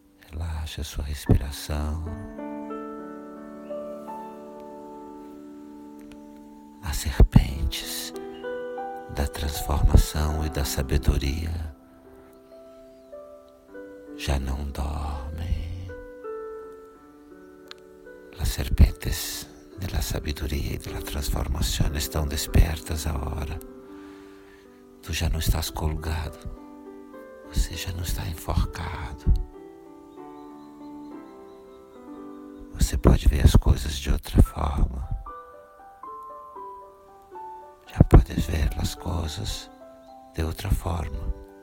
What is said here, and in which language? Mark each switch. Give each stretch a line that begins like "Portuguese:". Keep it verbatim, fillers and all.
Portuguese: Relaxa a sua respiração. As serpentes da transformação e da sabedoria já não dormem.
Spanish: Las serpentes de la sabiduría y de la transformación están despiertas ahora.
Portuguese: Tú já não estás colgado, você já não está enforcado. Você pode ver as coisas de outra forma. Já podes ver as coisas de outra forma.